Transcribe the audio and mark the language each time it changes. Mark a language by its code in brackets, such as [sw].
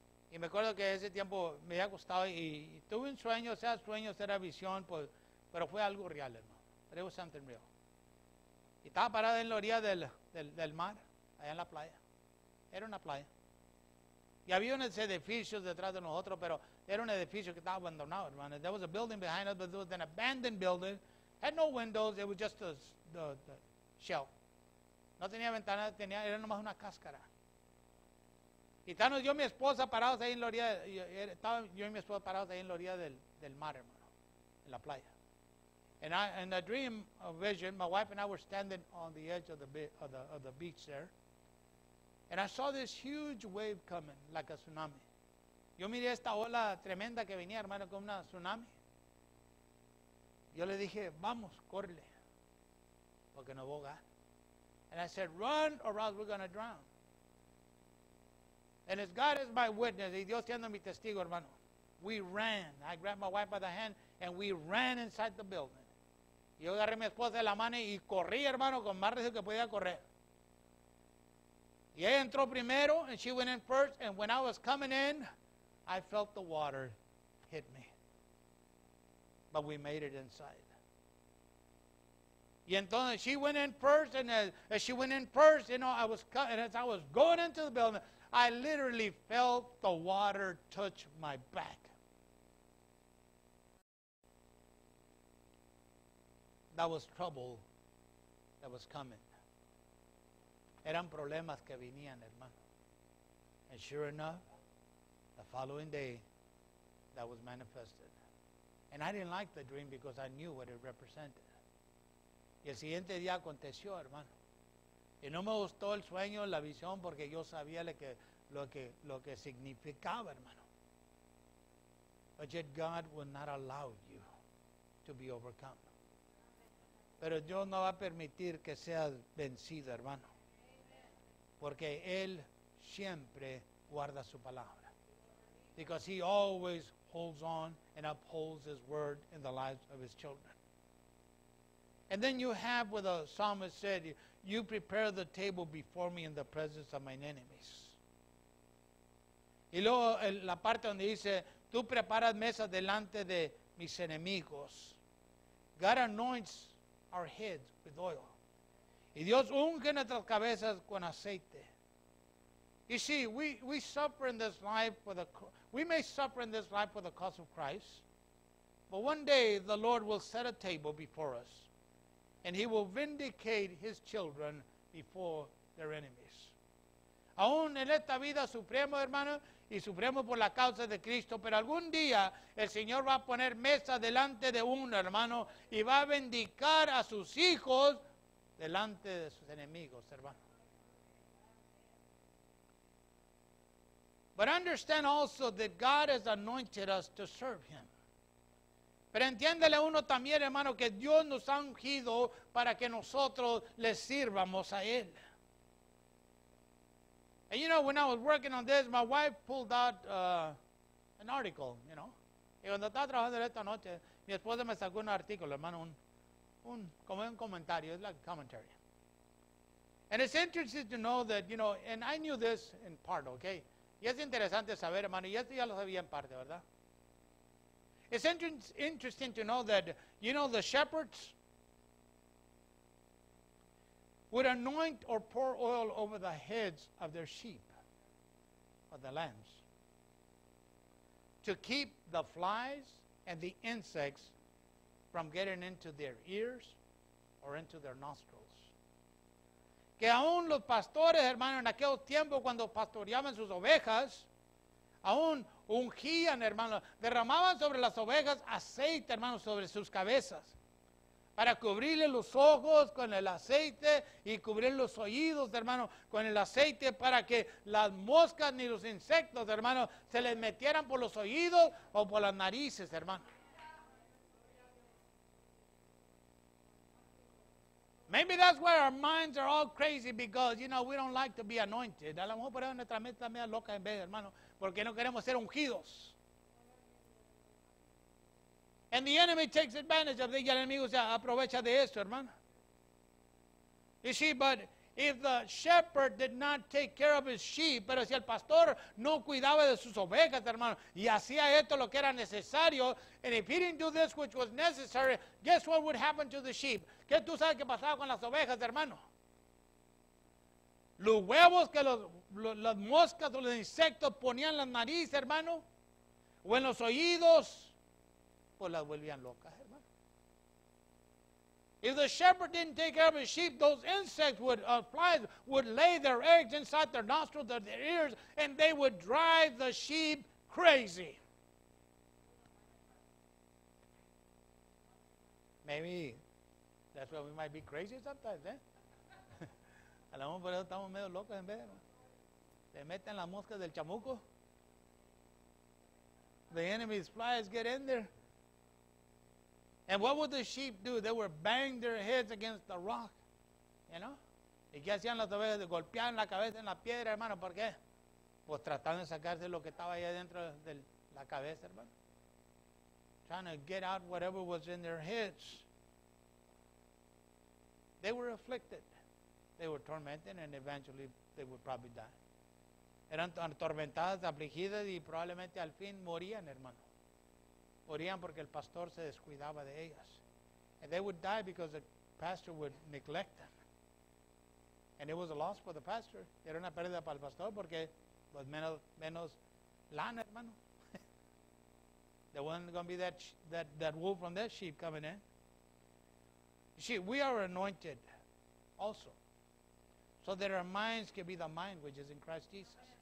[es] Y me acuerdo que ese tiempo me había acostado y tuve un sueño, sea sueño, sea visión, pues, pero fue algo real, hermano. [en] But it was something real. [es] Y estaba parado en la orilla del mar, allá en la playa. Era una playa. Y había unos edificios detrás de nosotros, pero era un edificio que estaba abandonado, hermano. [en] There was a building behind us, but it was an abandoned building. Had no windows, it was just the shell. [es] No tenía ventanas, tenía, era nomás una cáscara. Y estábamos yo y mi esposa parados ahí en la orilla, estaba yo y mi esposa parados ahí en la orilla del mar, hermano, en la playa. [en] And I, in a dream, a vision, my wife and I were standing on the edge of the beach there. And I saw this huge wave coming, like a tsunami. [es] Yo miré esta ola tremenda que venía, hermano, como una tsunami. Yo le dije, vamos, córrele, porque no voy a ganar. [en] And I said, run or else we're going to drown. And as God is my witness, [es] y Dios siendo mi testigo, hermano, [en] we ran. I grabbed my wife by the hand, and we ran inside the building. [es] Yo agarré a mi esposa de la mano y corrí, hermano, con más riesgo que podía correr. Y ella entró primero, [en] and she went in first, and when I was coming in, I felt the water hit me. But we made it inside. [es] Y entonces, [en] she went in first, and as she went in first, you know, I was cut, and as I was going into the building, I literally felt the water touch my back. That was trouble that was coming. [es] Eran problemas que venían, hermano. [en] And sure enough, the following day, that was manifested. And I didn't like the dream because I knew what it represented. [es] Y el siguiente día aconteció, hermano. Y no me gustó el sueño, la visión, porque yo sabía lo que significaba, hermano. [en] But yet God will not allow you to be overcome. [es] Pero Dios no va a permitir que seas vencido, hermano. Porque Él siempre guarda su palabra. [en] Because He always holds on and upholds His word in the lives of His children. And then you have what the psalmist said, you prepare the table before me in the presence of my enemies. [es] Y luego la parte donde dice, tú preparas mesa delante de mis enemigos. [en] God anoints our heads with oil. [es] Y Dios unge nuestras cabezas con aceite. [en] You see, we suffer in this life for the we may suffer in this life for the cause of Christ, but one day the Lord will set a table before us, and He will vindicate His children before their enemies. [es] Aún en esta vida sufrimos, hermano, y sufrimos por la causa de Cristo, pero algún día el Señor va a poner mesa delante de uno, hermano, y va a vindicar a sus hijos delante de sus enemigos, hermano. [en] But understand also that God has anointed us to serve Him. [es] Pero entiéndele uno también, hermano, que Dios nos ha ungido para que nosotros le sirvamos a Él. [en] And you know, when I was working on this, my wife pulled out an article, you know. [es] Y cuando estaba trabajando esta noche, mi esposa me sacó un artículo, hermano, un comentario, [en] it's like a commentary. And it's interesting to know that, you know, and I knew this in part, okay? [es] Y es interesante saber, hermano, y esto ya lo sabía en parte, ¿verdad? [en] It's interesting to know that, you know, the shepherds would anoint or pour oil over the heads of their sheep, or the lambs, to keep the flies and the insects from getting into their ears or into their nostrils. [es] Que aún los pastores, hermano, en aquel tiempo cuando pastoreaban sus ovejas, aún ungían, hermano, derramaban sobre las ovejas aceite, hermano, sobre sus cabezas, para cubrirle los ojos con el aceite y cubrir los oídos, hermano, con el aceite, para que las moscas ni los insectos, hermano, se les metieran por los oídos o por las narices, hermano. [en] Maybe that's why our minds are all crazy, because, you know, we don't like to be anointed. [es] A lo mejor ponemos nuestra mente también loca en vez, hermano, porque no queremos ser ungidos. [en] And the enemy takes advantage of it. [es] Y el enemigo se aprovecha de eso, hermano. [en] You see, but if the shepherd did not take care of his sheep, [es] pero si el pastor no cuidaba de sus ovejas, hermano, y hacía esto lo que era necesario, [en] and if he didn't do this which was necessary, guess what would happen to the sheep? [es] ¿Qué tú sabes que pasaba con las ovejas, hermano? Los huevos que las moscas o los insectos ponían en las narices, hermano, o en los oídos, pues las volvían locas, hermano. [en] If the shepherd didn't take care of his sheep, those insects would, flies would lay their eggs inside their nostrils, their ears, and they would drive the sheep crazy. Maybe that's why we might be crazy sometimes, eh? [es] A lo mejor por eso estamos medio locos en vez de. Se meten las moscas del chamuco. [en] The enemy's flies get in there. And what would the sheep do? They would bang their heads against the rock. You know? [es] ¿Y qué hacían las ovejas? Golpeaban la cabeza en la piedra, hermano. ¿Por qué? Pues tratando de sacarse lo que estaba ahí adentro de la cabeza, hermano. [en] Trying to get out whatever was in their heads. They were afflicted. They were tormented and eventually they would probably die. [es] Eran atormentadas, afligidas y probablemente al fin morían, hermano. Morían porque el pastor se descuidaba de ellas. [en] And they would die because the pastor would neglect them. And it was a loss for the pastor. [es] Era una pérdida para el pastor porque was menos lana, hermano. [en] There wasn't going to be that wolf from that sheep coming in. You see, we are anointed also, so that our minds can be the mind which is in Christ Jesus.